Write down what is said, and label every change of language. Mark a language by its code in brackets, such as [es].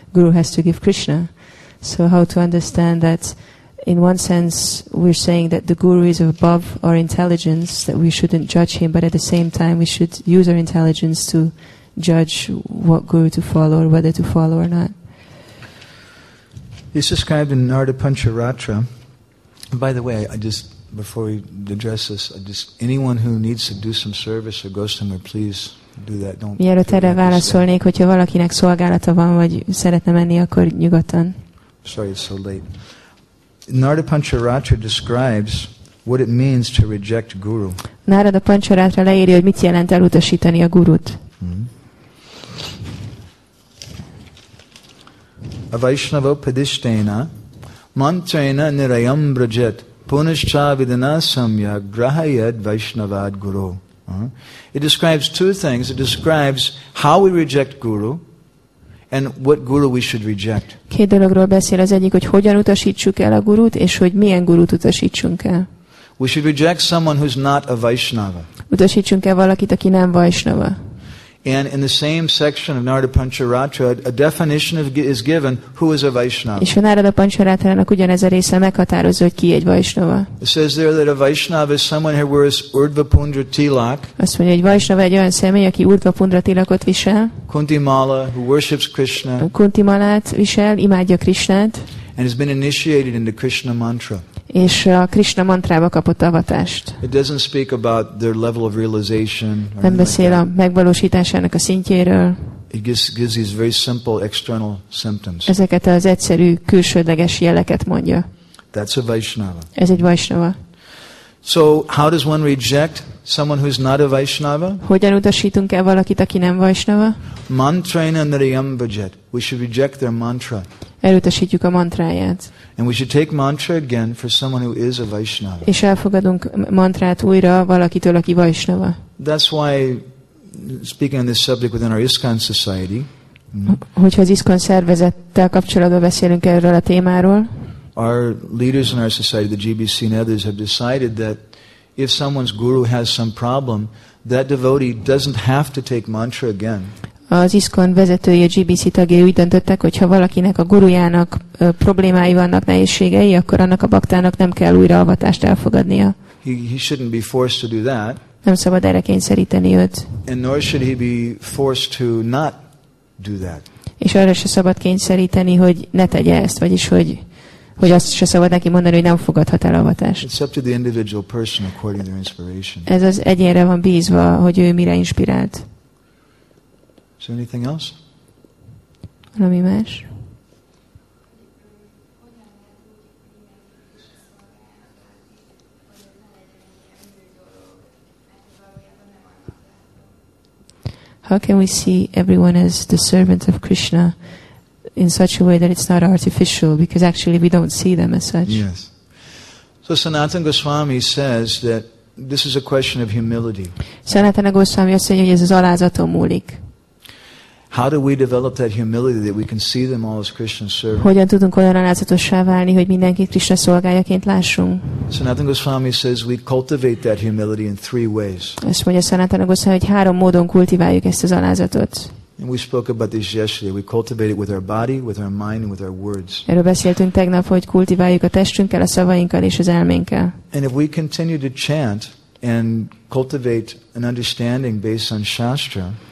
[en] Guru has to give Krishna. So how to understand that in one sense we're saying that the guru is above our intelligence, that we shouldn't judge him, but at the same time we should use our intelligence to judge what guru to follow or whether to follow or not. It's described in Narada Pancharatra. By the way, before we address this, anyone who needs to do some service or go somewhere, please do that. [hu] Mielőtt erre válaszolnék, hogyha valakinek szolgálata van, vagy szeretne menni, akkor nyugodtan. [en] Sorry, it's so late. Narada Pancharatra describes what it means to reject guru. [hu] Narada Pancharatra leírja, hogy mit jelent elutasítani a gurut. [sa] A Vaishnava padishtena mantraena nirayam brajet punascha vidana samya grahayad vaishnavad guru. [en] It describes two things. It describes how we reject guru and what guru we should reject. [hu] Két dologról beszél, az egyik, hogy hogyan utasítsuk el a gurut, és hogy milyen gurut utasítsunk el. [en] We should reject someone who's not a Vaishnava. [hu] Utasítsunk el valakit, aki nem Vaishnava. [en] And in the same section of Narada Pancharatra, a definition of is given who is a Vaishnava. [hu] És a Narada Pancharatrának ugyanez a része meghatározza, hogy ki egy Vaishnava. [en] It says there that a Vaishnava is someone who wears Urdhva Pundra Tilak. [hu] Azt mondja, hogy Vaishnava egy olyan személy, aki Urdhva Pundra Tilakot visel. [en] Kunti Mala, who worships Krishna. [hu] Kunti Malát visel, imádja Krishnát. [en] And has been initiated into Krishna mantra. [hu] És a Krishna mantrába kapott avatást. [en] It doesn't speak about their level of realization. [hu] Nem beszél a megvalósításának a szintjéről. [en] It gives these very simple external symptoms. [hu] Ezeket az egyszerű külsődleges jeleket mondja. [en] That's a Vaishnava. [hu] Ez egy Vaishnava. [en] So how does one reject someone who's not a Vaishnava? [hu] Hogyan utasítunk el valakit, aki nem Vaishnava? [sa] Mantraena nariyam bhajet. [en] We should reject their mantra. [hu] Elutasítjuk a mantráját. [en] And we should take mantra again for someone who is a Vaishnava. [hu] És elfogadunk mantrát újra valakitől, aki Vaishnava. [en] That's why speaking on this subject within our ISKCON society. [hu] Hogyha az ISKCON szervezettel kapcsolatban beszélünk erről a témáról. [en] Our leaders in our society, the GBC and others, have decided that if someone's guru has some problem, that devotee doesn't have to take mantra again. [hu] Az ISKCON vezetői, a GBC tagjai úgy döntöttek, hogy ha valakinek a gurujának problémái vannak, nehézségei, akkor annak a baktának nem kell újra avatást elfogadnia. [en] He shouldn't be forced to do that. [hu] Nem szabad erre kényszeríteni őt. [en] And nor should he be forced to not do that. [hu] És arra se szabad kényszeríteni, hogy ne tegye ezt, vagyis hogy azt se szabad neki mondani, hogy nem fogadhat el avatást. [en] It's up to the individual person according to their inspiration. [hu] Ez az egyénre van bízva, hogy ő mire inspirált. [en] Is there anything else? [hu] Valami más? [en] How can we see everyone as the servant of Krishna in such a way that it's not artificial, because actually we don't see them as such? Yes. So Sanatana Goswami says that this is a question of humility. [hu] Sanatana Goswami azt mondja, hogy ez az alázaton múlik. [en] How do we develop that humility that we can see them all as Krishna's servants? [hu] Hogyan tudunk olyan alázatossá válni, hogy mindenkit Krishna szolgájaként lássunk? [en] Sanatana Goswami says we cultivate that humility in three ways. [hu] Azt mondja Sanatana Goswami, hogy három módon kultiváljuk ezt az alázatot. [en] And we spoke about this yesterday. We cultivate it with our body, with our mind, and with our words. [hu] Erről beszéltünk tegnap, hogy kultiváljuk a testünkkel, a szavainkkal és az elménkkel. [en] And if we continue to chant and cultivate an understanding based on Shastra,